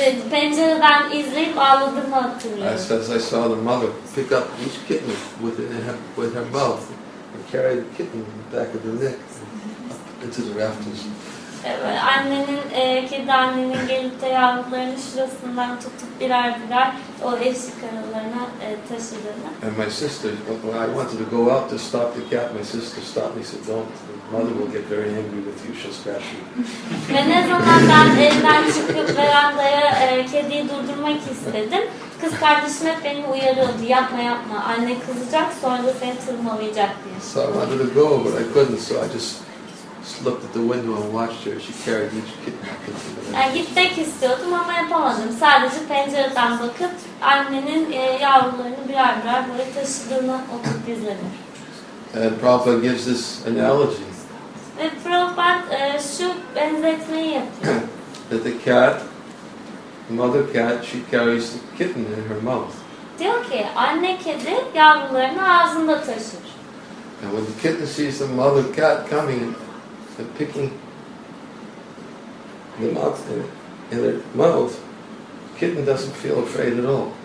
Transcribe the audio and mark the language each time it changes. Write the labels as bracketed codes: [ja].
[tr] Pencereden izleyip ağladığımı hatırlıyorum. [en] As I saw the mother pick up each kitten with her mouth and carry the kitten in the back of the neck. Into the rafters. [tr] Annenin kedi annenin gelip de yavrularını şurasından tutup birer o eski karınlarına taşıdığını. [en] And my sister, when I wanted to go out to stop the cat, my sister stopped me and said, "Don't. Mother will get very angry with you. She'll scratch you." [tr] Ve ne zaman ben evden çıkıp verandaya kediyi durdurmak istedim, kız kardeşim hep beni uyarıyordu, yapma. Anne kızacak, sonra da seni tırmalayacak diye. [en] So I wanted to go, but I couldn't. So I just looked at the window and watched her. She carried each kitten. [tr] Yani gitmek istiyordum ama yapamadım. Sadece pencereden bakıp annenin yavrularını birer böyle taşıdığını oturup izledim. [en] And Prabhupada gives this analogy. [tr] Ve Prabhupada şu benzetmeyi yapıyor. [en] That the cat, mother cat, she carries the kitten in her mouth. [tr] Diyor ki anne kedi yavrularını ağzında taşır. [en] And when the kitten sees the mother cat coming and picking the mouth in their mouth, kitten doesn't feel afraid at all.